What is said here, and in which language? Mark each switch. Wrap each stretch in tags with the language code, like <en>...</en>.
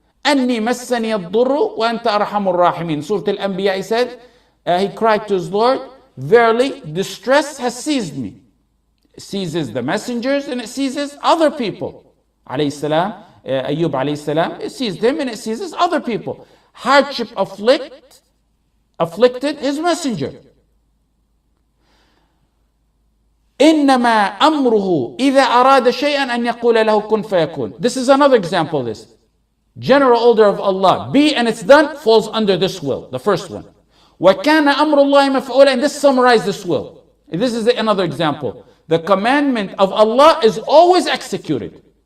<ar>Anni massani ad-durru wa anta arhamur rahimin.</ar> <en>Surah Al-Anbiya, he said, he cried to his Lord, verily, distress has seized me. It seizes the messengers and it seizes other people. Alayhi salam, Ayyub alayhi salam, it seized him and it seizes other people. Hardship afflicted his messenger.</en> <ar>إنما أمره إذا أراد شيئا أن يقول له كن فيكون.</ar> <en>This is another example of this. General order of Allah. Be and it's done falls under this will. The first one.</en> <ar>وكان أمر الله مفعولا.</ar> <en>And this summarizes this will. This is another example. The commandment of Allah is always executed.</en>